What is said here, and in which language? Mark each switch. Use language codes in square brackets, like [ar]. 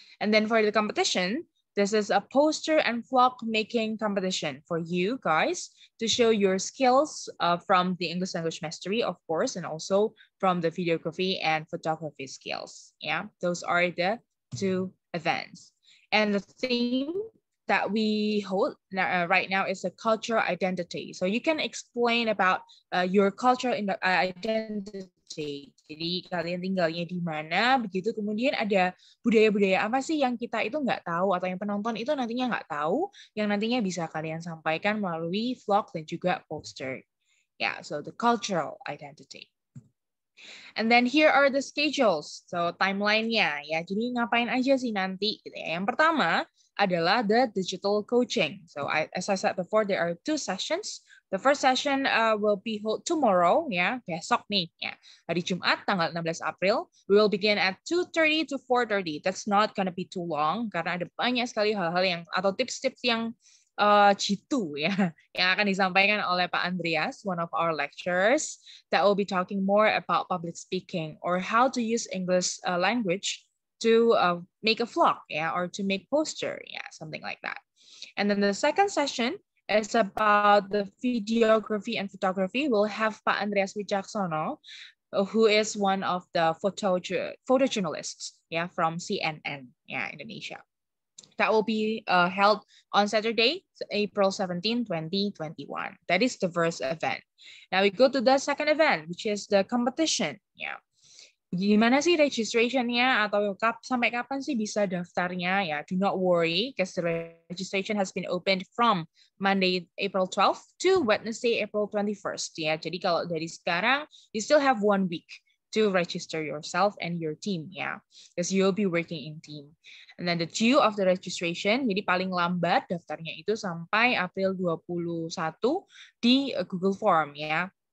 [en] And then for the competition, this is a poster and vlog making competition for you guys to show your skills from the English language mastery, of course, and also from the videography and photography skills, yeah. Those are the two events. And the theme that we hold right now is a cultural identity. So you can explain about your cultural identity. [id] Jadi kalian tinggalnya di mana, begitu. Kemudian ada budaya-budaya apa sih yang kita itu nggak tahu atau yang penonton itu nantinya nggak tahu, yang nantinya bisa kalian sampaikan melalui vlog dan juga poster. [en] Yeah, so the cultural identity. And then here are the schedules, so timeline-nya ya. [id] Jadi ngapain aja sih nanti? Yang pertama adalah [en] the digital coaching. So as I said before, there are two sessions. The first session will be held tomorrow, ya, [id] besok nih, ya, hari Jumat, tanggal 16 April. [en] We will begin at 2:30 to 4:30. That's not gonna be too long [id] karena ada banyak sekali hal-hal yang atau tips-tips yang jitu ya, yang akan disampaikan oleh [en] Pak Andreas, one of our lecturers, that will be talking more about public speaking or how to use English language to make a vlog, yeah, or to make poster, yeah, something like that. And then the second session is about the videography and photography. We'll have Pak Andreas Wijaksono, who is one of the photojournalists, yeah, from CNN, yeah, Indonesia. That will be held on Saturday, April 17, 2021. That is the first event. Now we go to the second event, which is the competition. [id] Yeah, gimana sih registration-nya atau sampai kapan sih bisa daftarnya? [en] Ya, do not worry, because the registration has been opened from Monday, April 12th to Wednesday, April 21st. Yeah, [id] jadi kalau dari sekarang, [en] you still have 1 week to register yourself and your team, yeah, because you'll be working in team. And then the due of the registration, [id] jadi paling lambat daftarnya itu sampai April 21 di Google Form, yeah.